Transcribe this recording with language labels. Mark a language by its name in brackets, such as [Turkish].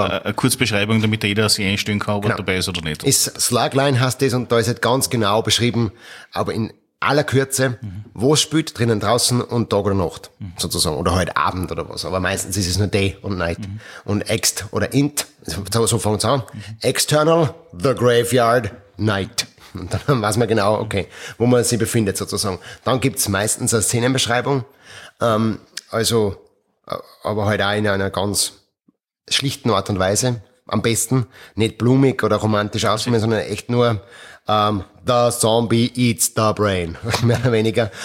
[German] Eine Kurzbeschreibung, damit jeder sich einstellen kann, ob er dabei ist oder nicht. Ist Slugline heißt das, und da ist halt ganz genau beschrieben, aber in aller Kürze, wo es spielt, drinnen, draußen und Tag oder Nacht, sozusagen, oder heute Abend oder was. Aber meistens ist es nur Day und Night. Und Ext oder Int, so fangen es an. [English] External, the Graveyard, Night. [German] Und dann weiß man genau, okay, wo man sich befindet, sozusagen. Dann gibt es meistens eine Szenenbeschreibung, also, aber halt auch in einer ganz schlichten Art und Weise, am besten, nicht blumig oder romantisch aussehen, sondern echt nur [English] the zombie eats the brain, [German] mehr oder weniger.